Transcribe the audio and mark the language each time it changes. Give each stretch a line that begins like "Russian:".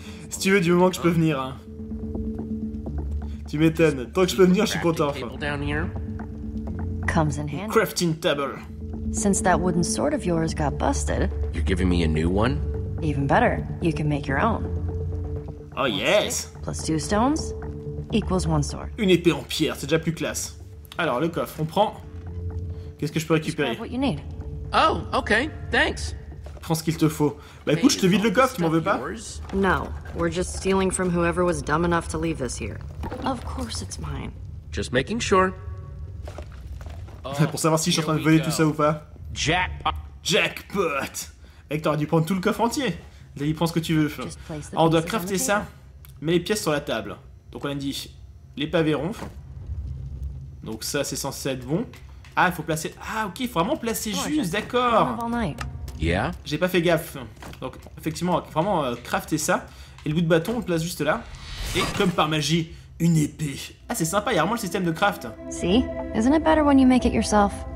French: Si tu veux, du moment que je peux venir, hein. Tu m'étonnes. Tant que je peux venir, je suis content.
English: Comes in handy. Crafting table. Since that wooden sword of yours got busted. You're giving me a new one? Even better, you can make your own. Oh yes. Plus two stones equals one sword.
French: Une épée en pierre, c'est déjà plus classe. Alors le coffre, on prend. Qu'est-ce que je peux récupérer?
English: What you need. Oh, okay, thanks.
French: Prends ce qu'il te faut. Bah écoute, je te vide le coffre, tu m'en veux pas?
English: No, we're just stealing from whoever was dumb enough to leave this here. Of course it's mine. Just making sure.
French: Pour savoir si je suis en train de voler tout ça ou pas.
English: Jackpot!
French: Mec, t'aurais dû prendre tout le coffre entier. Là, il prend ce que tu veux. Alors, on doit crafter ça. Mets les pièces sur la table. Donc, on a dit les pavés ronfles. Donc, ça, c'est censé être bon. Ah, il faut placer. Ah, ok, il faut vraiment placer juste, d'accord.
English: Yeah.
French: J'ai pas fait gaffe. Donc, effectivement, vraiment crafter ça. Et le bout de bâton, on le place juste là. Et comme par magie, Une épée. Ah, c'est sympa, il y a vraiment le système de craft.
English: See, isn't it better when you make it yourself?